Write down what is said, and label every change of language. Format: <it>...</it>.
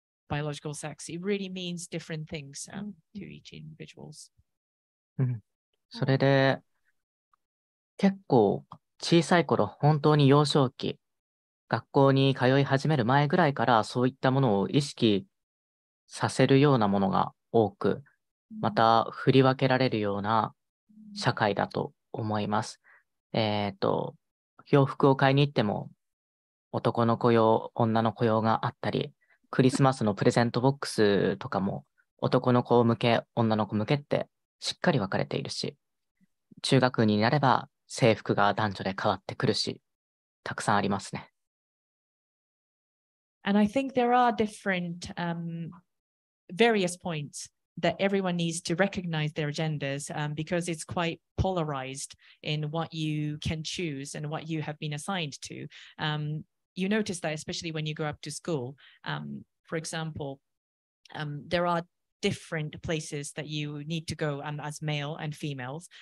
<en>Biological sex, it really means different things to each individual.</en> <ja>それで結構小さい頃、本当に幼少期、学校に通い始める前ぐらいからそういったものを意識させるようなものが多く、また振り分けられるような社会だと思います。洋服を買いに行っても男の子用、女の子用があったり、クリスマスのプレゼントボックスとかも男の子向け、女の子向けってしっかり分かれているし、中学になれば制服が男女で変わってくるし、たくさんありますね。</ja> <en>And I think there are different various points that everyone needs to recognize their genders because it's quite polarized in what you can choose and what you have been assigned to. You notice that especially when you go up to school, for example, there are different places that you need to go as male and females.</en>